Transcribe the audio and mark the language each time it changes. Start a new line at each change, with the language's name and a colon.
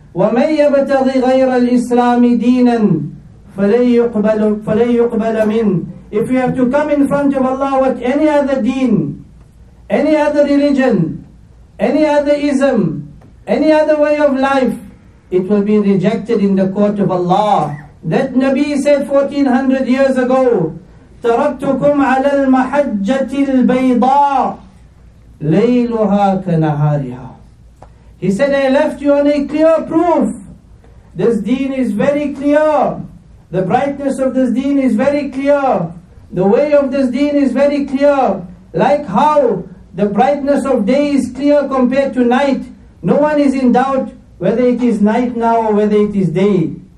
Arabic: وَمَنْ يَبْتَغِي غَيْرَ الْإِسْلَامِ دِينًا فَلَيُقْبَلَ مِنْ.
English: If you have to come in front of Allah with any other deen, any other religion, any other ism, any other way of life, it will be rejected in the court of Allah. That Nabi said 1400 years ago,
Arabic: تَرَكْتُكُمْ عَلَى الْمَحَجَّةِ الْبَيْضَىٰ لَيْلُهَا كَنَهَارِهَا.
English: He said, I left you on a clear proof. This deen is very clear. The brightness of this deen is very clear. The way of this deen is very clear. Like how the brightness of day is clear compared to night, no one is in doubt whether it is night now or whether it is day.